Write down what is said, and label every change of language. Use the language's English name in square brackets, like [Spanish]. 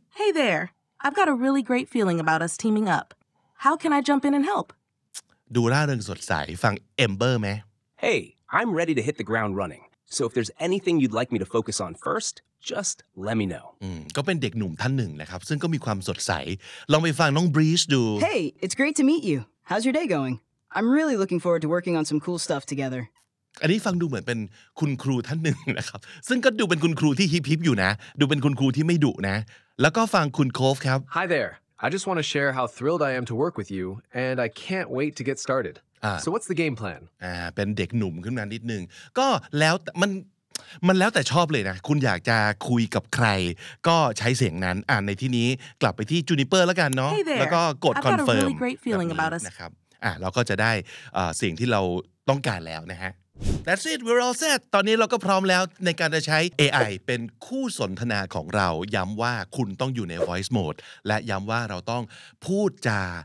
[English] Hey there I've got a really great feeling about us teaming up How can I jump in and help [Thai] ดูร่าเริงสดใสฟัง Amber มั้ย [English] Hey I'm ready to hit the ground running So if there's anything you'd like me to focus on first just let me know [Thai] ก็เป็นเด็กหนุ่มท่านหนึ่งนะครับซึ่งก็มีความสดใสลองไปฟังน้อง Breeze ดู [English] Hey it's great to meet you How's your day going I'm really looking forward to working on some cool stuff together. [Thai] อันนี้ฟังดูเหมือนเป็นคุณครูท่านหนึ่งนะครับซึ่งก็ดูเป็นคุณครูที่ฮิปฮิปอยู่นะดูเป็นคุณครูที่ไม่ดุนะแล้วก็ฟังคุณโคฟครับ [English] Hi there. I just want to share how thrilled I am to work with you, and I can't wait to get started. So what's the game plan? [Thai] เป็นเด็กหนุ่มขึ้นมานิดนึงก็แล้วมันแล้วแต่ชอบเลยนะคุณอยากจะคุยกับใครก็ใช้เสียงนั้นอ่านในที่นี้กลับไปที่จูนิเปอร์แล้วกันเนาะ [English] hey [Thai] แล้วก็กดคอนเฟิร์ม นะ ครับเราก็จะได้สิ่งที่เราต้องการแล้วนะฮะ [English] That's it we're all set [Thai] ตอนนี้เราก็พร้อมแล้วในการจะใช้ AI เป็นคู่สนทนาของเราย้ำว่าคุณต้องอยู่ใน voice mode และย้ำว่าเราต้องพูดจา